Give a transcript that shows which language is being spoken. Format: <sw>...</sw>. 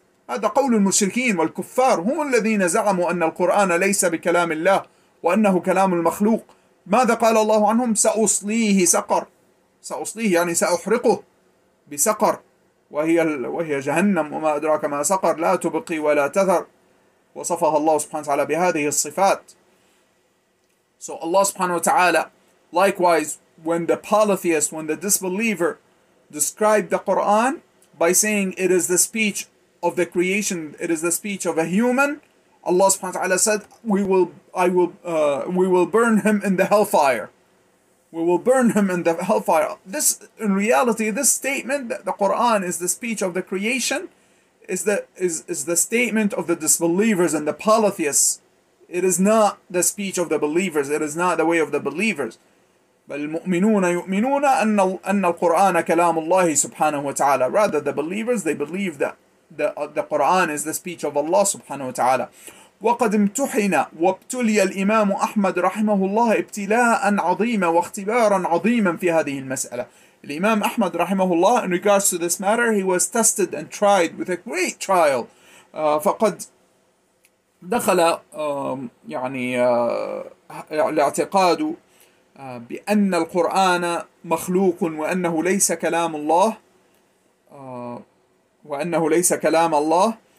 <ar>هذا قول المشركين والكفار، هم الذين زعموا أن القرآن ليس بكلام الله وأنه كلام المخلوق. ماذا قال الله عنهم؟ سأصليه سقر. سأصليه يعني سأحرقه بسقر، وهي جهنم، وما أدراك ما سقر، لا تبقي ولا تثر. وصفها الله سبحانه وتعالى بهذه الصفات.</ar> <en>So Allah سبحانه وتعالى, likewise, when the polytheist, when the disbeliever described the Quran by saying it is the speech of the creation, it is the speech of a human, Allah سبحانه وتعالى said, we will burn him in the hellfire. We will burn him in the hellfire. This, in reality, this statement that the Quran is the speech of the creation is the statement of the disbelievers and the polytheists. It is not the speech of the believers. It is not the way of the believers.</en> <ar>بل المؤمنون يؤمنون أن القرآن كلام الله سبحانه وتعالى.</ar> <en>Rather, the believers, they believe that the Quran is the speech of Allah سبحانه وتعالى.</en> <ar>وقد امتحن وابتلي الإمام أحمد رحمه الله ابتلاء عظيما واختبارا عظيما في هذه المسألة.</ar> <en>الإمام أحمد رحمه الله, in regards to this matter, he was tested and tried with a great trial.</en> <ar>فقد دخل يعني الاعتقاد بأن القرآن مخلوق وأنه ليس كلام الله</ar>